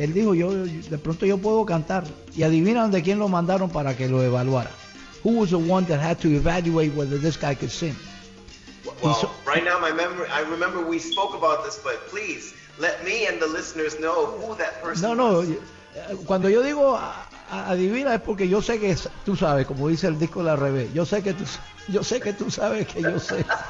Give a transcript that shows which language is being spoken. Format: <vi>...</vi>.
<es>Él dijo, yo puedo cantar, y adivina de quién lo mandaron para que lo evaluara.</es> <en>Who was the one that had to evaluate whether this guy could sing? Well, right now I remember we spoke about this, but please let me and the listeners know who that person</en> <es>no,</es> <en>was.</en> <es>No, cuando yo digo adivina, es porque yo sé que tú sabes, como dice el disco al revés. Yo sé que tú sabes que yo sé.</es>